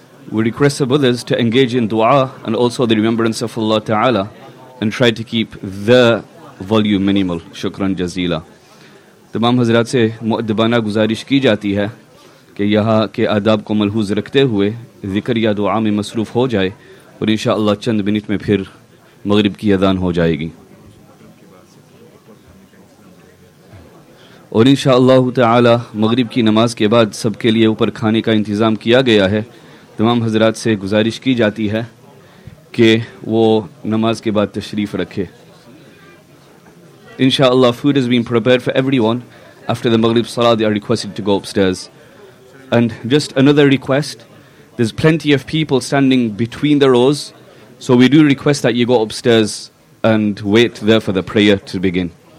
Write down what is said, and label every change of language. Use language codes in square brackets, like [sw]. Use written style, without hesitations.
[en] We request the brothers to engage in dua and also the remembrance of Allah Ta'ala and try to keep the volume minimal. [ar] Shukran jazila. [ur] تمام حضرات سے مؤدبانہ گزارش کی جاتی ہے کہ یہاں کے آداب کو ملحوظ رکھتے ہوئے ذکر یا دعا میں مصروف ہو جائے اور انشاءاللہ چند منٹ میں پھر مغرب کی اذان ہو جائے گی. اور انشاءاللہ تعالی مغرب کی نماز کے بعد سب کے لیے اوپر کھانے کا انتظام کیا گیا ہے. تمام حضرات سے گزارش کی جاتی ہے کہ وہ نماز کے بعد تشریف رکھے. [en] Inshallah, food has been prepared for everyone. After the Maghrib Salah, they are requested to go upstairs. And just another request, there's plenty of people standing between the rows, so we do request that you go upstairs and wait there for the prayer to begin.